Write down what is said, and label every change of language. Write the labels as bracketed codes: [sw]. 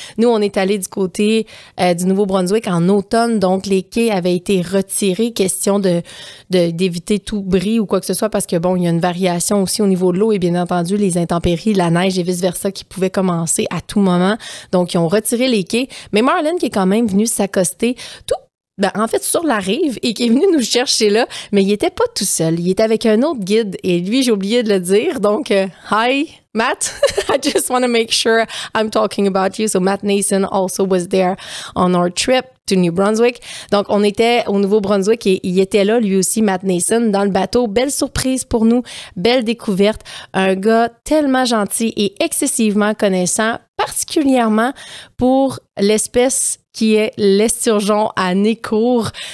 [fr] Nous, on est allé du côté du Nouveau-Brunswick en automne, donc les quais avaient été retirés, question d'éviter tout bris ou quoi que ce soit, parce que bon, il y a une variation aussi au niveau de l'eau et bien entendu les intempéries, la neige et vice-versa qui pouvaient commencer à tout moment. Donc, ils ont retiré les quais. Mais Marlon qui est quand même venu s'accoster sur la rive et qui est venu nous chercher là, mais il était pas tout seul. Il était avec un autre guide et lui, j'ai oublié de le dire. Donc, [en] hi, [fr] Matt. [en] I just want to make sure I'm talking about you. So, Matt Nason also was there on our trip to New Brunswick. [fr] Donc, on était au Nouveau-Brunswick et il était là, lui aussi, Matt Nason, dans le bateau. Belle surprise pour nous, belle découverte. Un gars tellement gentil et excessivement connaissant, particulièrement pour l'espèce qui est l'esturgeon à nez court.